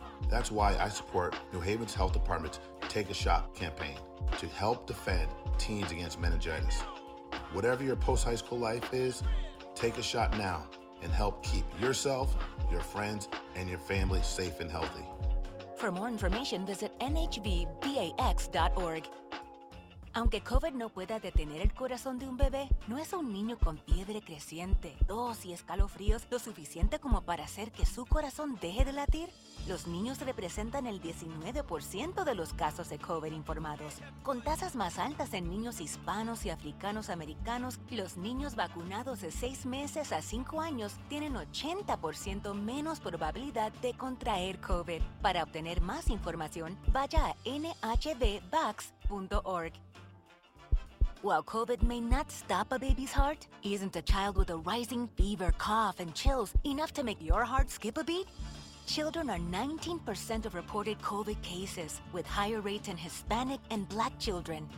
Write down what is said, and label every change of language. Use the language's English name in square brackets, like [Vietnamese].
[English] That's why I support New Haven's Health Department's Take a Shot campaign to help defend teens against meningitis. Whatever your post-high school life is, take a shot now and help keep yourself, your friends, and your family safe and healthy. For more information, visit nhbbax.org. [Spanish] Aunque COVID no pueda detener el corazón de un bebé, no es un niño con fiebre creciente, tos y escalofríos lo suficiente como para hacer que su corazón deje de latir. Los niños representan el 19% de los casos de COVID informados. Con tasas más altas en niños hispanos y africanos americanos, los niños vacunados de 6 meses a 5 años tienen 80% menos probabilidad de contraer COVID. Para obtener más información, vaya a nhbvax.org. [English] While COVID may not stop a baby's heart, isn't a child with a rising fever, cough, and chills enough to make your heart skip a beat? Children are 19% of reported COVID cases, with higher rates in Hispanic and Black children.